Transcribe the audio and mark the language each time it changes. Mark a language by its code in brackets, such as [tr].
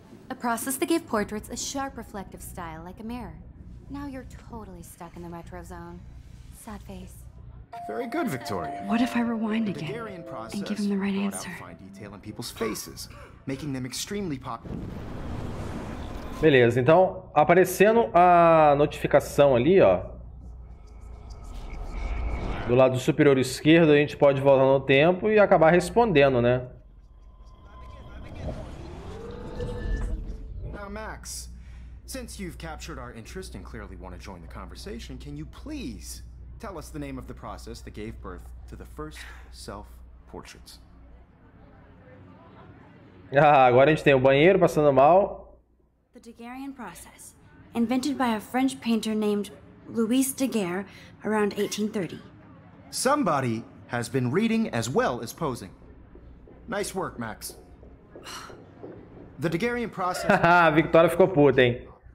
[en] A process that gave portraits a sharp reflective style like a mirror. Now you're totally stuck in the retro zone. Sad face. Very good, Victoria. What if I rewind again and give him the right answer? Fine detail in people's faces, making them extremely popular. [pt] Beleza, então aparecendo a notificação ali, ó. Do lado superior esquerdo, a gente pode voltar no tempo e acabar respondendo, né? [en] Now, Max, since you've captured our interest and clearly want to join the conversation, can you please tell us the name of the process that gave birth to the first self-portraits? [pt] Ah, agora a gente tem o banheiro passando mal. [en] The Daguerrean process, invented by a French painter named Louis Daguerre around 1830. Somebody has been reading as well as posing. Nice work, Max. The Daguerrean process. [pt] Victoria ficou puta, hein?